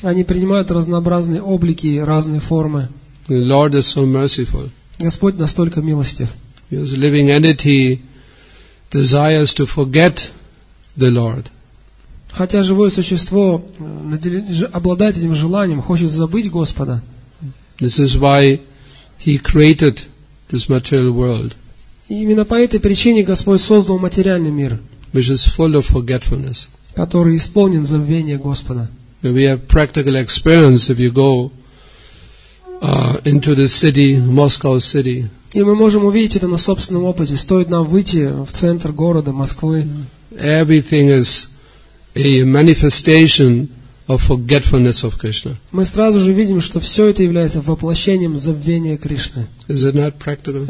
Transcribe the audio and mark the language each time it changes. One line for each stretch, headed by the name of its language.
Russian: Они принимают разнообразные облики и разные формы.
English: The Lord is so merciful.
Russian: Господь настолько милостив.
English: He is a living entity. Desires to forget the Lord.
Russian: Хотя живое существо обладает этим желанием, хочет забыть Господа.
English: This is why He created this material world.
Russian: И именно по этой причине Господь создал материальный мир,
English: which is full of forgetfulness.
Russian: Который исполнен забвения Господа.
English: We have practical experience if you go into the city, Moscow city.
Russian: И мы можем увидеть это на собственном опыте. Стоит нам выйти в центр города Москвы.
English: Everything is a manifestation of forgetfulness of Krishna.
Russian: Мы сразу же видим, что все это является воплощением забвения Кришны.
English: Is it not practical?